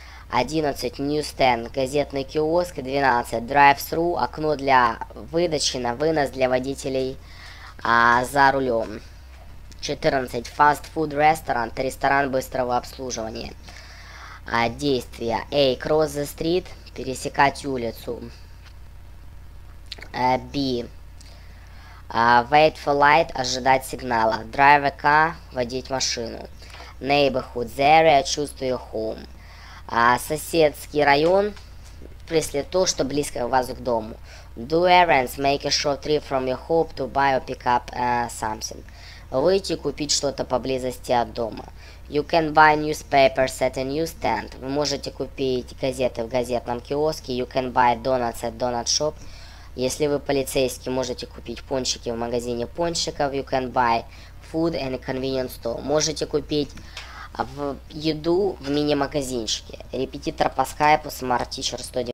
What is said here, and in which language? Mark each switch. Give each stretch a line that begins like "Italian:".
Russian: 11, ньюстенд, газетный киоск. 12, драйв-сру, окно для выдачи, на вынос для водителей за рулем. 14, фастфуд ресторан, ресторан быстрого обслуживания. Действия, A,
English: cross the street,
Russian: пересекать улицу.
English: B, wait for light,
Russian: ожидать сигнала.
English: Drive a car,
Russian: водить машину.
English: Neighborhood, the area, чувствую home.
Russian: Соседский район, если то, что близко у вас к дому.
English: Do errands, make a short trip from your home to buy or pick up something.
Russian: Выйти, купить что-то поблизости от дома.
English: You can buy newspapers at a newsstand.
Russian: Вы можете купить газеты в газетном киоске.
English: You can buy donuts at donut shop.
Russian: Если вы полицейский, можете купить пончики в магазине пончиков.
English: You can buy food in a convenience store.
Russian: Можете купить еду в мини-магазинчике. Репетитор по скайпу, Smart Teacher 190.